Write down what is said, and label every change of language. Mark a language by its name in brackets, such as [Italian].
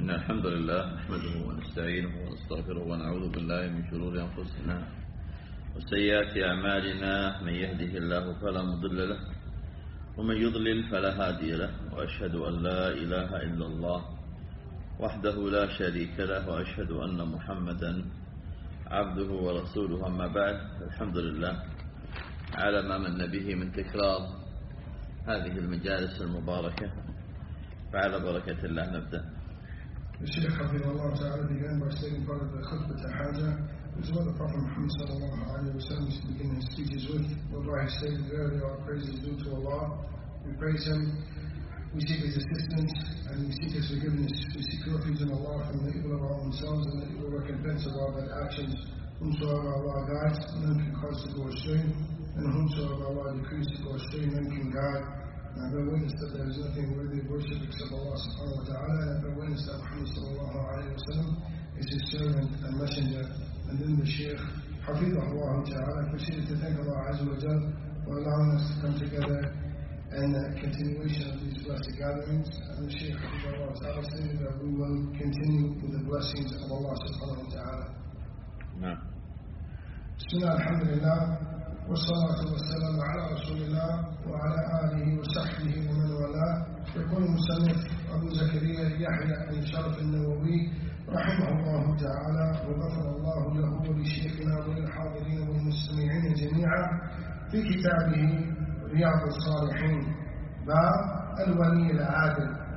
[Arabic] الحمد لله نحمده ونستعينه ونستغفره ونعوذ بالله من شرور أنفسنا وسيئات أعمالنا، من يهده الله فلا مضل له ومن يضلل فلا هادي له، وأشهد أن لا إله إلا الله وحده لا شريك له، وأشهد أن محمدا عبده ورسوله. أما بعد، الحمد لله على ما من به من تكرار هذه المجالس المباركة، فعلى بركة الله نبدأ. الشيخ حفظه الله تعالى [English] began by saying part of the khutbah to Hajjah, which is what the Prophet Muhammad sallallahu alayhi wa sallam is beginning his speeches with. Although I stated earlier, our praise is due to Allah. We praise Him, we seek His assistance, and we seek His forgiveness. We seek refuge in Allah from the evil of all themselves, and the evil recompense of all bad actions. Whomsoever Allah guides, none can cause to go astray, and whomsoever Allah decrees to go astray, none can guide. And I bear witness that there is nothing worthy of worship except Allah subhanahu wa ta'ala. And I bear witness that Muhammad sallallahu alayhi wa sallam is His servant and messenger. And then the Shaykh, hafidhahullah ta'ala, proceeded to thank Allah azza wa jal for allowing us to come together in the continuation of these blessed gatherings. And the Shaykh, hafidhahullah ta'ala, stated that we will continue with the blessings of Allah subhanahu wa ta'ala. [Arabic] Bismillah, alhamdulillah. والصلاة والسلام على رسول الله وعلى آله وصحبه ومن والاه. يقول المصنف أبو زكريا يحيى بن شرف النووي رحمه الله تعالى وغفر الله له ولشيخنا وللحاضرين والمستمعين جميعا في كتابه رياض الصالحين باب الولي العادل.